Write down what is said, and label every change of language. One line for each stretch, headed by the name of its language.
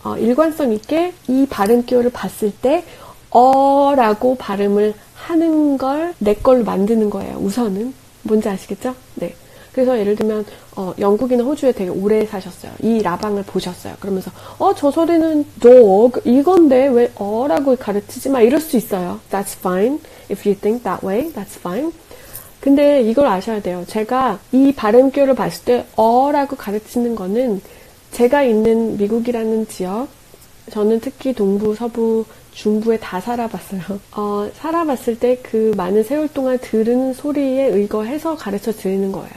Korean: 일관성 있게 이 발음 기호를 봤을 때, 라고 발음을 하는 걸내 걸로 만드는 거예요. 우선은. 뭔지 아시겠죠? 네. 그래서 예를 들면, 영국이나 호주에 되게 오래 사셨어요. 이 라방을 보셨어요. 그러면서, 저 소리는 dog, 이건데 왜 라고 가르치지 마? 이럴 수 있어요.
English: That's fine. If you think that way, that's fine.
Korean: 근데 이걸 아셔야 돼요. 제가 이 발음교를 봤을 때 라고 가르치는 거는 제가 있는 미국이라는 지역, 저는 특히 동부, 서부, 중부에 다 살아봤어요. 살아봤을 때그 많은 세월 동안 들은 소리에 의거해서 가르쳐 드리는 거예요.